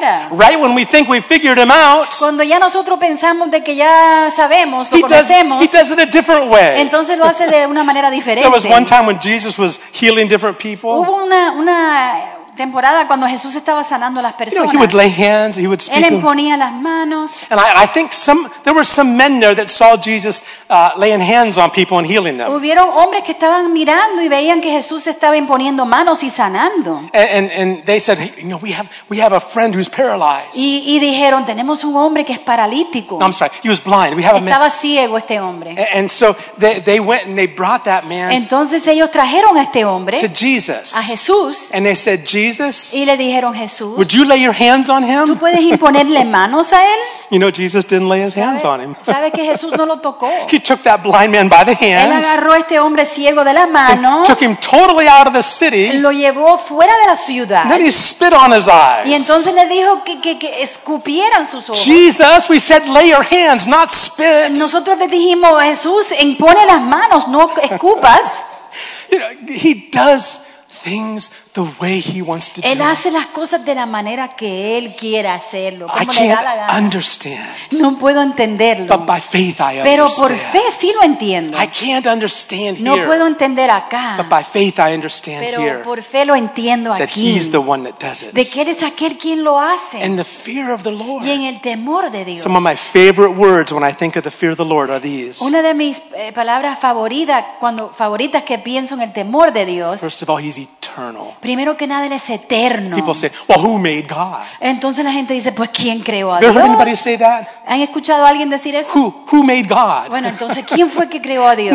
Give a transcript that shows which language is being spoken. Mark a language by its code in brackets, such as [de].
[en] Right when we think we figured him out, [es] cuando ya nosotros pensamos de que ya sabemos, lo conocemos, [en] he does it a different way. [es] Entonces lo hace de una manera diferente. [en] There was one time when Jesus was healing different people. [es] Hubo una temporada cuando Jesús estaba sanando a las personas. [en] You know, he would lay hands, he would speak. [es] Él imponía las manos. [en] And I think there were some men there that saw Jesus laying hands on people and healing them. [es] Hubieron hombres que estaban mirando y veían que Jesús estaba imponiendo manos y sanando. [en] And they said, hey, you know, we have a friend who's paralyzed. [es] Y dijeron, tenemos un hombre que es paralítico. [en] No, I'm sorry, he was blind. We have a man. [es] Estaba ciego este hombre. [en] And so they went and they brought that man. [es] Entonces ellos trajeron a este hombre. [en] To Jesus. [es] A Jesús. [en] And they said, Jesus, [es] y le dijeron, Jesús, [en] would you lay your hands on him? [es] ¿Tú puedes imponerle manos a él? [en] You know, Jesus didn't lay his hands on him. [es] ¿Sabe que Jesús no lo tocó? [en] He took that blind man by the hand. [es] Él agarró a este hombre ciego de la mano. [en] Took him totally out of the city. [es] Lo llevó fuera de la ciudad. [en] Then he spit on his eyes. [es] Y entonces le dijo que escupieran sus ojos. [en] Jesus, we said lay your hands, not spit. [es] Nosotros le dijimos, Jesús, impone las manos, no escupas. [en] He does things the way he wants to do. [es] Él hace las cosas de la manera que él quiere hacerlo, como le da la gana. [en] I can't understand. [es] No puedo entenderlo. [en] But by faith I understand. [es] Pero por fe sí lo entiendo. [en] I can't understand here. [es] No puedo entender acá. [en] But by faith I understand [es] pero [en] here. [es] Pero por fe lo entiendo aquí. [en] That he's the one that does it. [es] De que él es aquel quien lo hace. [en] And the fear of the Lord. [es] Y en el temor de Dios. [en] Some of my favorite words when I think of the fear of the Lord are these. [es] Una de mis palabras favoritas que pienso en el temor de Dios. [en] First of all, he's eternal. [es] Primero que nada, él es eterno. [en] People say, "Well, who made God?" [es] Entonces la gente dice, "Pues quién creó a Dios?" [en] Heard anybody say that? [es] ¿Han escuchado a alguien decir eso? [en] Who made God? [es] Bueno, entonces quién fue que creó a Dios?